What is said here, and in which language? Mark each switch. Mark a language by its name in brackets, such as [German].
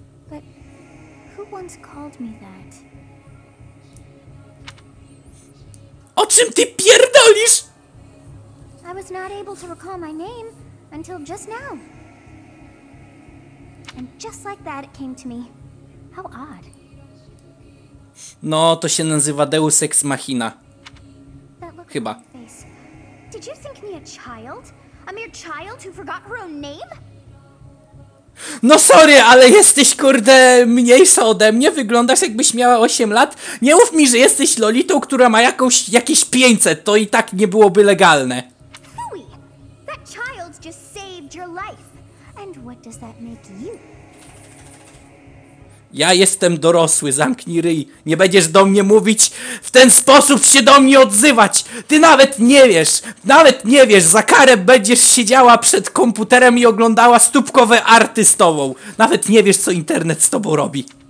[English] But who once called me that? [Polish] O czym ty pierdolisz? [English] I was not able to recall my name until just now. And just like that it came to me. How odd. [Polish] No, to się nazywa Deus Ex Machina. Chyba. [English] Did you think me a child? A mere child who forgot her own name? [Polish] No sorry, ale jesteś kurde mniejsza ode mnie. Wyglądasz jakbyś miała 8 lat. Nie mów mi, że jesteś lolitą, która ma jakieś 500. To i tak nie byłoby legalne. Fui. [English] That child just saved your life. And what does that make you? [Polish] Ja jestem dorosły, zamknij ryj. Nie będziesz do mnie mówić w ten sposób się do mnie odzywać. Ty nawet nie wiesz, za karę będziesz siedziała przed komputerem i oglądała stópkowe arty z tobą. Nawet nie wiesz, co internet z tobą robi.